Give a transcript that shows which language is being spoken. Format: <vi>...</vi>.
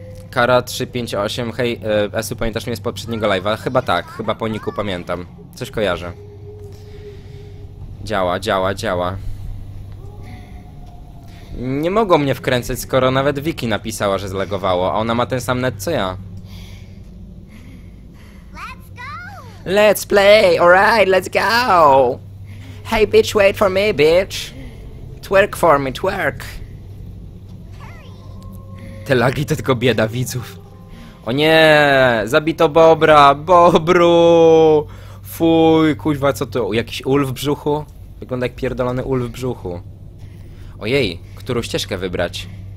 <pl>Kara 358, hej, Esu, pamiętasz mnie z poprzedniego live'a? Chyba tak, chyba po niku pamiętam. Coś kojarzę. Działa, działa, działa. Nie mogą mnie wkręcać, skoro nawet Wiki napisała, że zlagowało, a ona ma ten sam net co ja.</pl> <en>Let's go! Let's play, alright, let's go! Hey bitch, wait for me, bitch! Twerk for me, twerk!</en> <pl>Te lagi to tylko bieda widzów. O nie! Zabito bobra! Bobru! Fuj, kuźwa, co to? Jakiś ul w brzuchu? Wygląda jak pierdolony ul w brzuchu. Ojej, którą ścieżkę wybrać?</pl>